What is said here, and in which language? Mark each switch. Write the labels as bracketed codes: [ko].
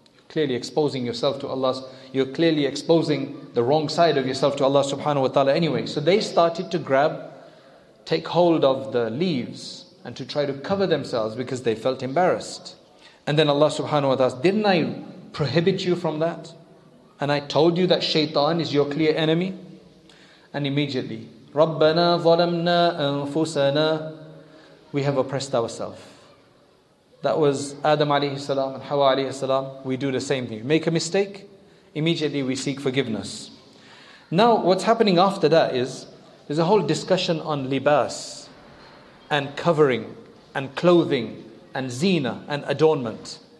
[en] Clearly exposing yourself to Allah, you're clearly exposing the wrong side of yourself to Allah subhanahu wa ta'ala anyway. So they started to take hold of the leaves and to try to cover themselves because they felt embarrassed. And then Allah subhanahu wa ta'ala asked, didn't I prohibit you from that? And I told you that shaitan is your clear enemy? And immediately, [ar] رَبَّنَا ظَلَمْنَا أَنفُسَنَا. [en] We have oppressed ourselves. That was Adam alayhi salam and Hawa alayhi salam. We do the same thing. Make a mistake, immediately we seek forgiveness. Now what's happening after that is, there's a whole discussion on libas and covering and clothing and zina and adornment.